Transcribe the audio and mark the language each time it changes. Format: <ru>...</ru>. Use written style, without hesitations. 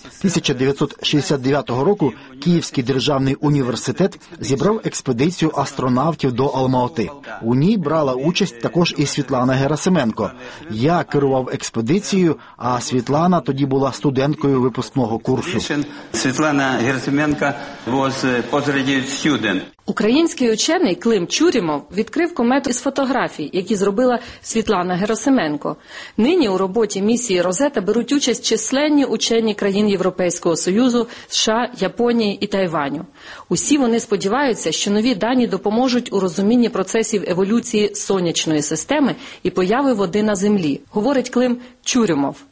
<uk>1969 року Київський державний університет зібрав експедицію астронавтів до Алма-Аты. У ній брала участь також і Світлана Герасименко. Я керував експедицією, а Світлана тоді була студенткою випускного курсу.</uk> <en>Світлана Герасименко was postgraduate student.</en> <uk>Український учений Клим Чурюмов відкрив комету із фотографій, які зробила Світлана Герасименко. Нині у роботі місії «Розетта» беруть участь численні учені країн Європейського Союзу, США, Японії і Тайваню. Усі вони сподіваються, що нові дані допоможуть у розумінні процесів еволюції сонячної системи і появи води на Землі, говорить Клим Чурюмов.</uk>